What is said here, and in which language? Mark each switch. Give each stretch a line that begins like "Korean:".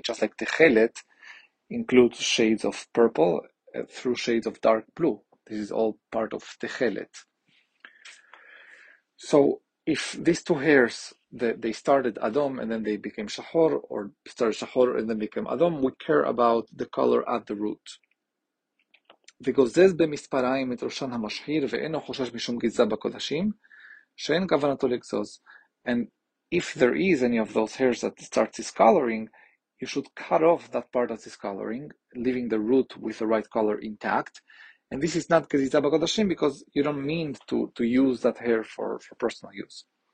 English: Just like Techelet includes shades of purple through shades of dark blue. This is all part of Techelet. So if these two hairs, they started Adam and then they became Shahor, or started Shahor and then became Adam, we care about the color at the root.
Hebrew: וגוזז במספריים את ראשן המשחיר ואינו חושש משום גזע בקודשים שאין כוונתו לגזוז.
English: And if there is any of those hairs that starts discoloring, you should cut off that part that's discoloring, leaving the root with the right color intact. And this is not
Hebrew: גזע בקודשים,
English: because you don't mean to use that hair for personal use.